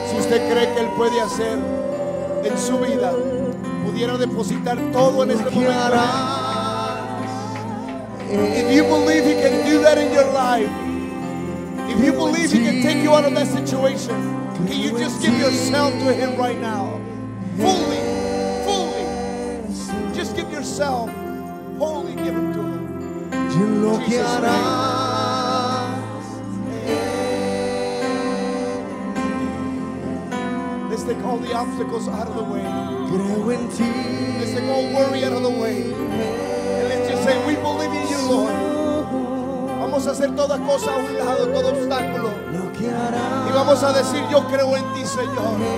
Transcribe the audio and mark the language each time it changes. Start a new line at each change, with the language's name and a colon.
Spanish: ¿Usted cree que Él puede hacer en su vida? Pudiera depositar todo en este momento.
English: If you believe He can do that in your life, if you believe He can take you out of that situation, can you just give yourself to Him right now? Fully, fully. Just give yourself wholly given to Him. Jesus, take all the obstacles out of the way. Grow in ti. Let's take all worry out of the way. And let's just say, we believe in you, Lord.
Spanish: Vamos a hacer toda cosa a un lado, todo obstáculo. Lo que harás. Y vamos a decir, yo creo en ti, Señor.